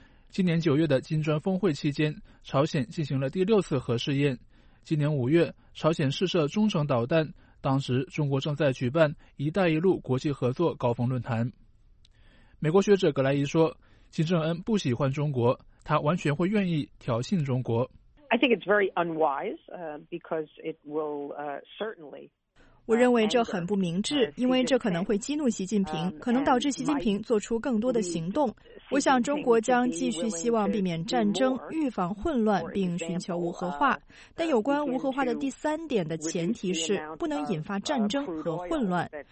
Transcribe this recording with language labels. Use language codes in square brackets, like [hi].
[zh] 今年9月的金砖峰会期间，朝鲜进行了第6次核试验。今年5月，朝鲜试射中程导弹，当时中国正在举办“一带一路”国际合作高峰论坛。美国学者葛莱仪说，金正恩不喜欢中国，他完全会愿意挑衅中国。 [en] I think it's very unwise, because it will certainly. [zh] 我认为这很不明智，因为这可能会激怒习近平，可能导致习近平做出更多的行动。我想中国将继续希望避免战争，预防混乱，并寻求无核化。但有关无核化的第三点的前提是不能引发战争和混乱。